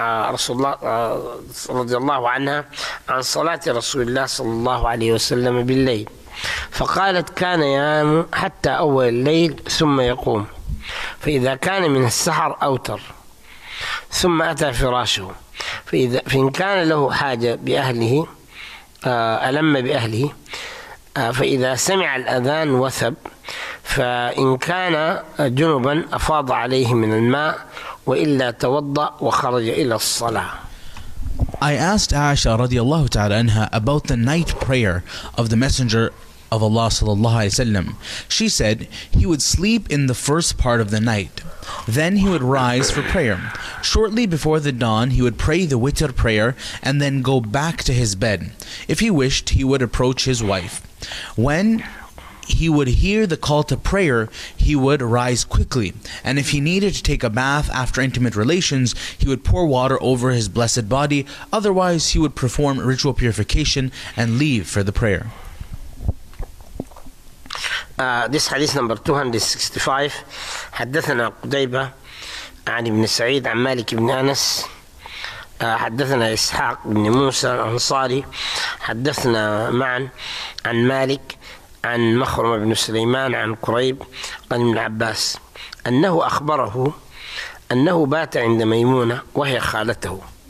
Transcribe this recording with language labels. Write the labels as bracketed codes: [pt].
[ar] رسول الله رضي الله عنها عن صلاة رسول الله صلى الله عليه وسلم بالليل فقالت كان ينام حتى أول الليل ثم يقوم فإذا كان من السحر أوتر ثم أتى فراشه فإن كان له حاجة بأهله ألم بأهله فإذا سمع الأذان وثب فإن كان جنبا أفاض عليه من الماء وإلا توضأ وخرج إلى الصلاة. [en] I asked Aisha [ar] رضي الله تعالى عنها [en] about the night prayer of the Messenger of Allah sallallahu alaihi wasallam. She said he would sleep in the first part of the night. Then he would rise for prayer. Shortly before the dawn, he would pray the witr prayer and then go back to his bed. If he wished, he would approach his wife. When he would hear the call to prayer, he would rise quickly. And if he needed to take a bath after intimate relations, he would pour water over his blessed body. Otherwise, he would perform ritual purification and leave for the prayer. This hadith number 265 [ar] حدثنا قتيبة عن ابن سعيد عن مالك بن أنس حدثنا إسحاق بن موسى الأنصاري حدثنا معا عن مالك عن مخرم بن سليمان عن كريب عن ابن عباس أنه أخبره أنه بات عند ميمونة وهي خالته